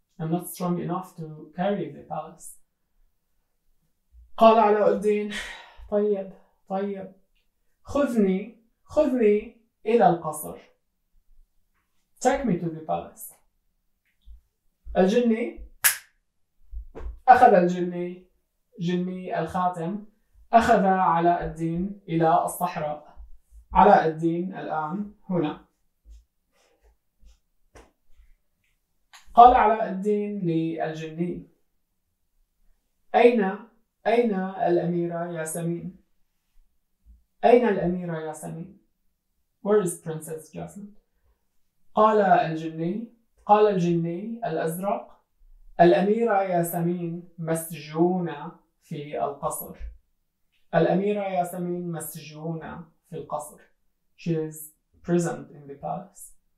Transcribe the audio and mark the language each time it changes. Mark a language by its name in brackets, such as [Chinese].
[English] I'm not strong enough to carry the palace. [Arabic] قال علاء الدين: طيب، خذني إلى القصر. [English] Take me to the palace. [Arabic] الجني أخذ جني الخاتم أخذ علاء الدين إلى الصحراء. علاء الدين الآن هنا. قال علاء الدين للجني: أين الأميرة ياسمين؟ أين الأميرة ياسمين؟ [English] Where is Princess Jasmine؟ [Arabic] قال الجني الأزرق: الأميرة ياسمين مسجونة في القصر. الأميرة ياسمين مسجونة في القصر. [English] She is prisoned in the palace.